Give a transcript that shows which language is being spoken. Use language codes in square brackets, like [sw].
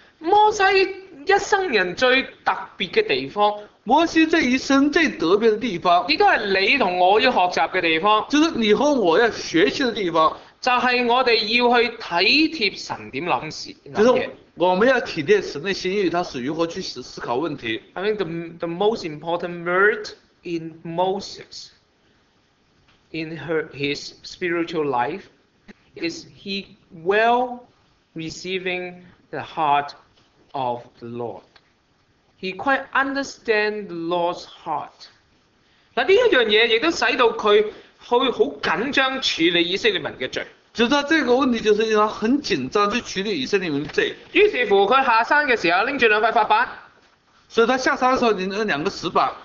[zh] 摩西一生人最特别的地方，摩西这一生最特别的地方，亦都是你和我要学习的地方，就是你和我要学习的地方，就是我们要去体贴神怎么想事，就是我们要体贴神的心意，他是如何去思考问题。 [en] I mean the most important word in Moses in his spiritual life is he well receiving the heart of the Lord. He quite understands the Lord's heart. [zh] 那这件事也都使到他会很紧张处理以色列民的罪，就是这个问题，就是他很紧张去处理以色列民的罪。于是乎他下山的时候拎着两块法板，所以他下山的时候拎着两个石板，